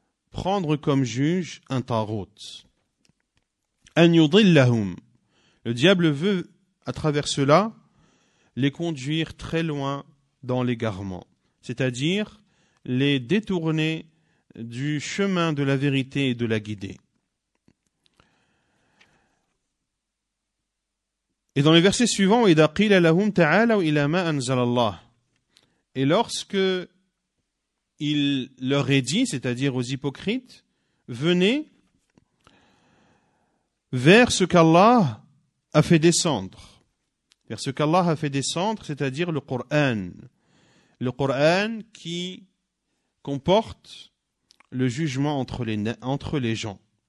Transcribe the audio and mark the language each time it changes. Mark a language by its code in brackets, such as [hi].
[fr] prendre comme juge un tarot. [ar] An yudillahum. [fr] Le diable veut, à travers cela, les conduire très loin dans l'égarement, c'est-à-dire les détourner du chemin de la vérité et de la guider. Et dans les versets suivants, [ar] إِذَا قِيلَ لَهُمْ تَعَالَوْا إِلَى مَا أَنْزَلَ اللَّهُ. [fr] Et lorsque il leur est dit, c'est-à-dire aux hypocrites, venez vers ce qu'Allah a fait descendre. Vers ce qu'Allah a fait descendre, c'est-à-dire le Coran. Le Coran qui comporte le jugement entre les gens.